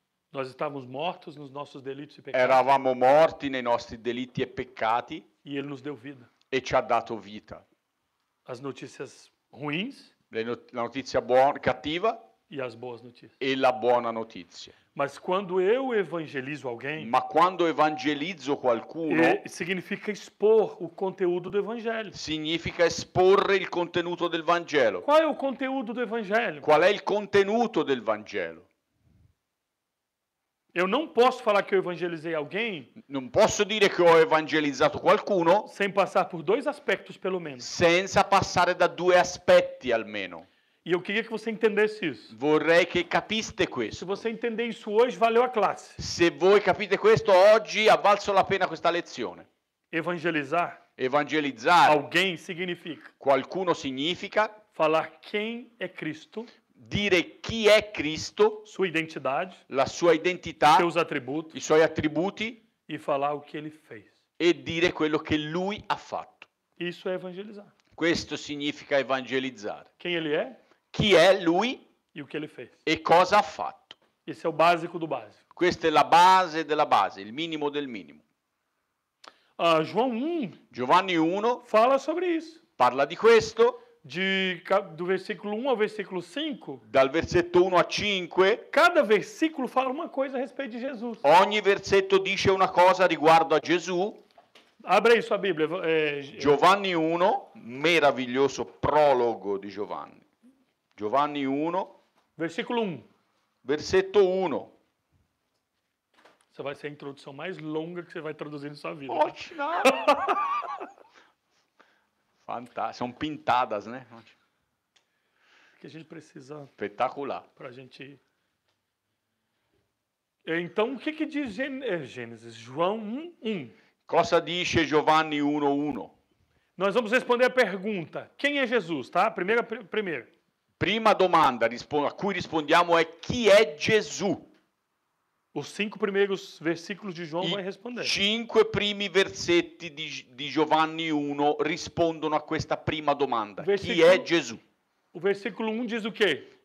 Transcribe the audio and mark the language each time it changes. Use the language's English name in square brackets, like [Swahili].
[Portuguese] Nós estávamos mortos nos nossos delitos e peccati. [Italian] Eravamo morti nei nostri delitti e peccati. [Portuguese] E ele nos deu vida. [Italian] E ci ha dato vita. [Portuguese] As notícias ruins? [Italian] La notizia buona, cattiva. [Portuguese] E as boas notícias. [Italian] E la buona notizia. [Portuguese] Mas quando eu evangelizo alguém? [Italian] Ma quando evangelizzo qualcuno? [Portuguese] Significa expor o conteúdo do evangelho. [Italian] Significa esporre il contenuto del Vangelo. [Portuguese] Qual é o conteúdo do evangelho? [Italian] Qual è il contenuto del Vangelo? [Portuguese] Eu não posso falar que eu evangelizei alguém? [Italian] Non posso dire che ho evangelizzato qualcuno? [Portuguese] Sem passar por dois aspectos pelo menos. [Italian] Senza passare da due aspetti almeno. [Portuguese] E eu queria que você entendesse isso. [Italian] Vorrei che capiste questo. [Portuguese] Se você entender isso hoje, valeu a classe. [Italian] Se voi capite questo oggi, ha valso la pena questa lezione. [Portuguese] Evangelizar. [Italian] Evangelizzare. [Portuguese] Alguém significa. [Italian] Qualcuno significa. [Portuguese] Falar quem é Cristo. [Italian] Dire chi è Cristo. [Portuguese] Sua identidade. [Italian] La sua identità. [Portuguese] Seus attributi. [Italian] I suoi attributi. [Portuguese] E falar o que ele fez. [Italian] E dire quello che lui ha fatto. [Portuguese] Isso é evangelizar. [Italian] Questo significa evangelizzare. [Portuguese] Quem ele é? [Italian] Chi è lui? [Portuguese] E o que ele fez? [Italian] E cosa ha fatto? [Portuguese] Esse é o básico do básico. [Italian] Questa è la base della base, il minimo del minimo. [Portuguese] João 1. [Italian] Giovanni 1. [Portuguese] Fala sobre isso. [Italian] Parla di questo. [Portuguese] Do versículo 1 ao versículo 5. [Italian] Dal versetto 1 a 5. [Portuguese] Cada versículo fala uma coisa a respeito de Jesus. [Italian] Ogni versetto dice una cosa riguardo a Gesù. [Portuguese] Abre aí sua Bíblia. [Italian] Giovanni 1, meraviglioso prologo di Giovanni. Giovanni 1. [Portuguese] Versículo 1. [Italian] Versetto 1. [Portuguese] Essa vai ser a introdução mais longa que você vai traduzir na sua vida. Ótimo! Fantástico. São pintadas, né? Que a gente precisa... Espetacular. Para a gente... Então, o que, que diz Gênesis? João 1, 1. [Italian] Cosa dice Giovanni 1:1? [Portuguese] Nós vamos responder a pergunta: quem é Jesus, tá? Primeira. [Italian] Prima domanda a cui rispondiamo é: chi è Gesù? [Portuguese] Os 5 primeiros versículos de João vai responder. [Italian] 5 primi versetti di Giovanni 1 rispondono a questa prima domanda: chi è Gesù? [Portuguese] O versículo 1 diz o quê?